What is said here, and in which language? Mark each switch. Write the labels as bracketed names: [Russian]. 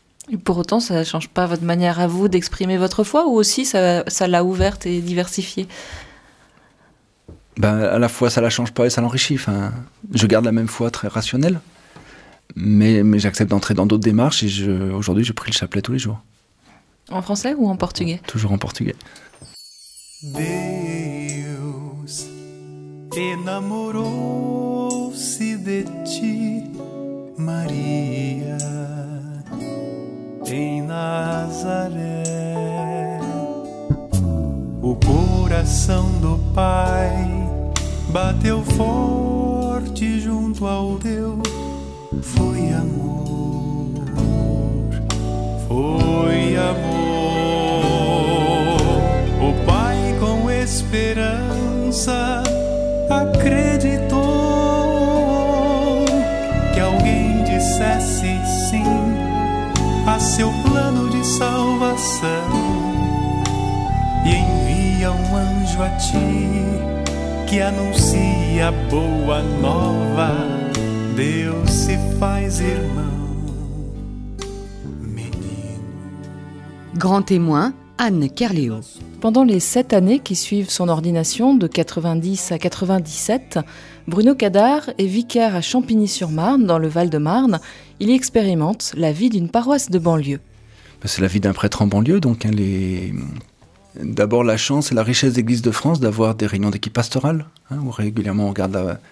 [French] Et pour autant, ça ne change pas votre manière à vous d'exprimer votre foi, ou aussi ça l'a ouverte et diversifiée? À la fois ça ne la change pas et ça l'enrichit. Enfin, je garde la même foi très rationnelle. Mais j'accepte d'entrer dans d'autres démarches et aujourd'hui je prie le chapelet tous les jours. En français ou en portugais? Toujours en portugais. [Portuguese] Deus enamorou-se de ti, Maria, em Nazaré. O coração do Pai bateu forte junto ao teu. Foi amor, foi amor. O pai com esperança acreditou que alguém dissesse sim a seu plano de salvação. E envia um anjo a ti que anuncia a boa nova. Deus se faz irmão, menino. [French] Grand témoin, Anne Kerléau. Pendant les 7 années qui suivent son ordination, de 90 à 97, Bruno Cadard est vicaire à Champigny-sur-Marne, dans le Val-de-Marne. Il y expérimente la vie d'une paroisse de banlieue. C'est la vie d'un prêtre en banlieue, donc elle est... D'abord la chance et la richesse d'Église de France d'avoir des réunions d'équipe pastorale, hein, où régulièrement on regarde la...